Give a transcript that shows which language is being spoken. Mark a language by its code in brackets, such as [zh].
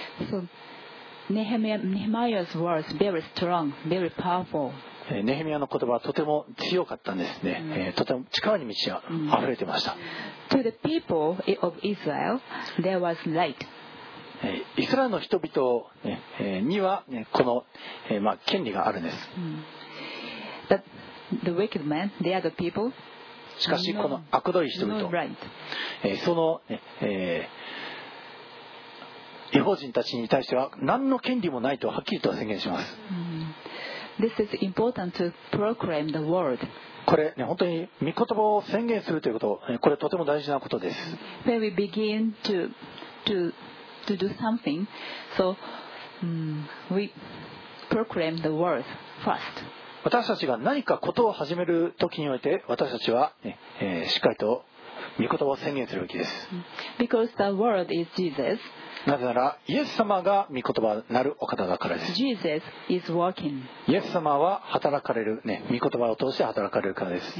[en] そうNehemiah's words very strong, very powerful. [ja] Nehemiah の言葉はとても強かったんですね。とても力に満ちあふれてました。 [en] To the people of Israel, there was light. [ja] イスラエルの人々にはこの権利があるんです。 [en] But the wicked men, the other people, [ja] しかしこの悪どい人々、その、異邦人たちに対しては何の権利もないとはっきりと宣言します。 [en] This is important to proclaim the word. [ja] これ、ね、本当に御言葉を宣言するということ、これとても大事なことです。 [en] When we begin to do something, so, we proclaim the word first. [ja] 私たちが何かことを始めるときにおいて、私たちは、しっかりと御言葉を宣言するべきです。 [en] Because the word is Jesus. [ja] なぜなら、イエス様が御言葉なるお方だからです。 [en] Jesus is working. [ja] イエス様は働かれる、ね、御言葉を通して働かれるからです。